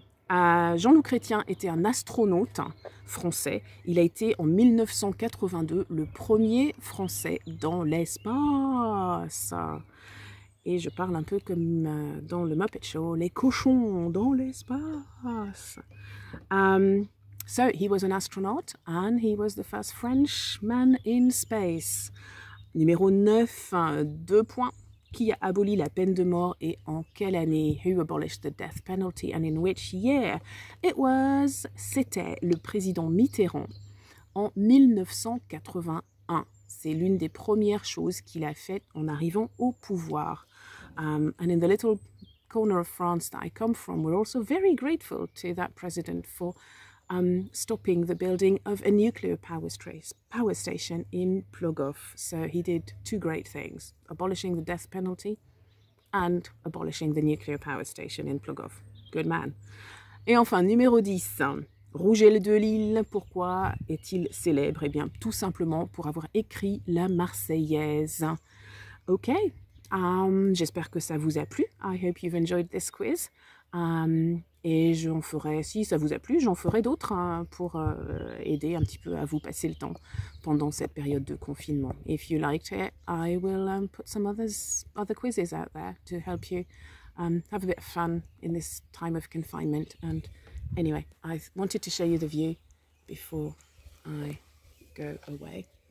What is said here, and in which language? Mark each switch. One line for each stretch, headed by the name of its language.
French: Jean-Loup Chrétien était un astronaute français. Il a été en 1982 le premier français dans l'espace. Et je parle un peu comme dans le Muppet Show, les cochons dans l'espace.
English: So he was an astronaut and he was the first French man in space.
French: Numéro 9, 2 points. Qui a aboli la peine de mort et en quelle année?
English: Who abolished the death penalty and in which year?
French: C'était le président Mitterrand en 1981. C'est l'une des premières choses qu'il a faites en arrivant au pouvoir.
English: And in the little corner of France that I come from, we're also very grateful to that president for stopping the building of a nuclear power station in Plogoff. So he did two great things, abolishing the death penalty and abolishing the nuclear power station in Plogoff. Good man.
French: Et enfin, numéro 10, Rouget de Lisle, pourquoi est-il célèbre? Eh bien, tout simplement pour avoir écrit la Marseillaise. Ok, j'espère que ça vous a plu.
English: I hope you've enjoyed this quiz.
French: Et j'en ferai, si ça vous a plu, j'en ferai d'autres hein, pour aider un petit peu à vous passer le temps pendant cette période de confinement.
English: If you liked it, I will put some other quizzes out there to help you have a bit of fun in this time of confinement. And anyway, I wanted to show you the view before I go away.